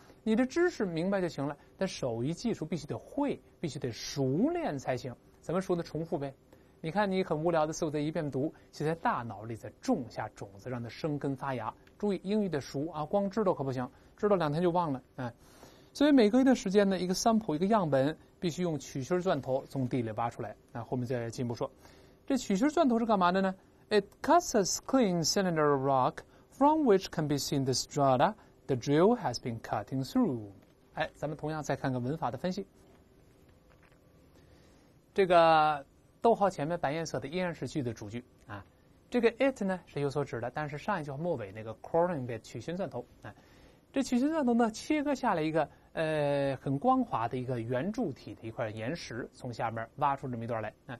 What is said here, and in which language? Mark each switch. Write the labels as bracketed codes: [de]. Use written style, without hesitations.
[zh] 你的知识明白就行了，但手艺技术必须得会，必须得熟练才行。咱们说的重复呗。你看，你很无聊的时候在一遍读，就在大脑里在种下种子，让它生根发芽。注意，英语得熟啊，光知道可不行。知道两天就忘了，哎，所以每隔一段时间呢，一个 sample 一个样本，必须用取芯钻头从地里挖出来。那后面再进一步说，这取芯钻头是干嘛的呢 [en] ？It cuts a clean cylinder of rock from which can be seen the strata the drill has been cutting through。 [zh] 哎，咱们同样再看看文法的分析。这个逗号前面白颜色的依然是句的主句啊，这个 it 呢是有所指的，但是上一句话末尾那个 coring bit 取芯钻头，哎。这取芯钻头呢，切割下来一个很光滑的一个圆柱体的一块岩石，从下面挖出这么一段来。